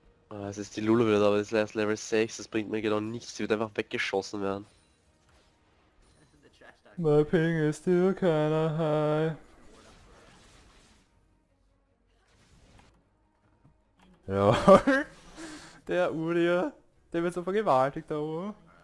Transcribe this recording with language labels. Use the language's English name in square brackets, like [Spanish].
[German] Ah, es ist die Lulu wieder, aber das ist erst Level 6, das bringt mir genau nichts, sie wird einfach weggeschossen werden. [English] My ping is still kinda high. [German] Ja, der Uriah, der wird so vergewaltigt da oben.